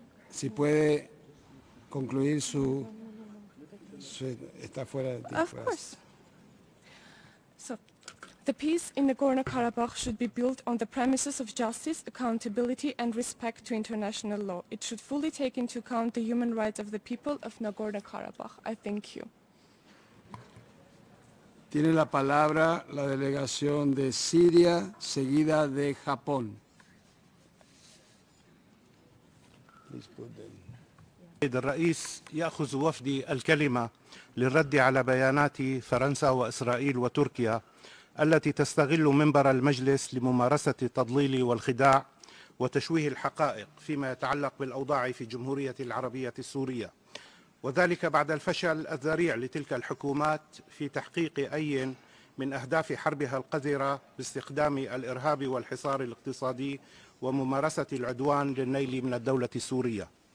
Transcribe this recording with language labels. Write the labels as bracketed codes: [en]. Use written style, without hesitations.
[es] Si puede concluir su... está fuera de tiempo. [en] Of course. So, the peace in Nagorno-Karabakh should be built on the premises of justice, accountability and respect to international law. It should fully take into account the human rights of the people of Nagorno-Karabakh. I thank you. [es] Tiene la palabra la delegación de Siria, seguida de Japón. [ar] الرئيس يأخذ وفدي الكلمة للرد على بيانات فرنسا وإسرائيل وتركيا التي تستغل منبر المجلس لممارسة التضليل والخداع وتشويه الحقائق فيما يتعلق بالأوضاع في الجمهورية العربية السورية، وذلك بعد الفشل الذريع لتلك الحكومات في تحقيق أي من أهداف حربها القذرة باستخدام الإرهاب والحصار الاقتصادي وممارسة العدوان للنيل من الدولة السورية.